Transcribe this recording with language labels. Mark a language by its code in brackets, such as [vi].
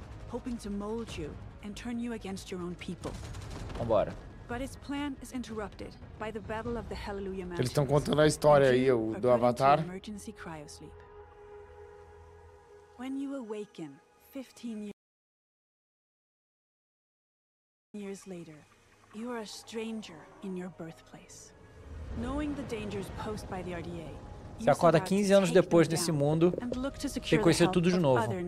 [en] hoping to mold you and turn you against your own people. [pt] Vambora. [en] But his plan is interrupted by the battle of the Hallelujah Mountains. [pt] Eles estão contando a história aí do Avatar. [en] Emergency cryosleep. When you awaken, 15 years later, you are a stranger in your birthplace. Knowing the dangers posed by the RDA, [pt] você acorda 15 anos depois nesse mundo e conhecer tudo de novo.